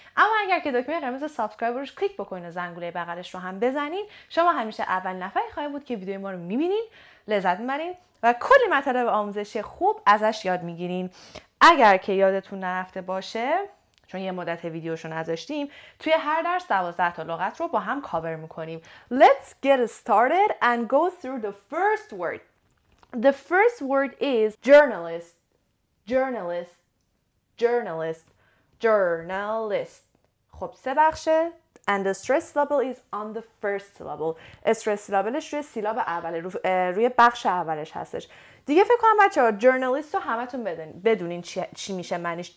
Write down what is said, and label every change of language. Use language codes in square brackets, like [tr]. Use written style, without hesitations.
[fa] اما اگر که دکمه قرمز سابسکرایب روش کلیک بکنین و زنگوله بغلش رو هم بزنین، شما همیشه اول نفری خواهید بود که ویدیوی ما رو میبینین، لذت میبرین و کلی مطالب آموزشی خوب ازش یاد میگیرین. اگر که یادتون نرفته باشه، چون یه مدت ویدیوشو نذاشتیم، توی هر درس 12 تا لغت رو با هم کاور میکنیم. [en] Let's get started and go through the first word. The first word is journalist. Journalist. Journalist. [fa] Journalist. خب سه بخشه. [en] And the stress syllable is on the first syllable. [fa] Stress syllableش روی سیلاب اول، روی بخش اولش هستش. دیگه فکر کنم بچه ها جورنالیست رو همتون بدونین چی میشه معنیش.